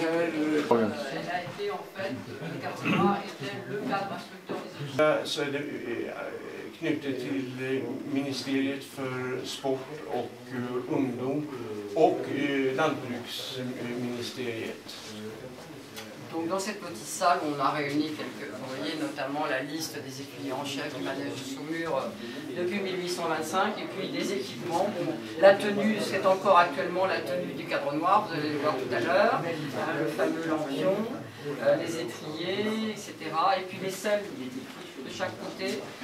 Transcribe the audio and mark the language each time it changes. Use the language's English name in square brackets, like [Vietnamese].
[French] elle a été en fait, le cadre était le cadre instructeur. [Swedish] Så är det knutet till ministeriet för sport och ungdom och lantbruksministeriet. [French] Donc dans cette petite salle, on a réuni quelques courriers, notamment la liste des écuyers en chef du manège de Saumur depuis 1825, et puis des équipements, la tenue, c'est encore actuellement la tenue du cadre noir, vous allez le voir tout à l'heure, le fameux lampion, les étriers, etc., et puis les selles de chaque côté.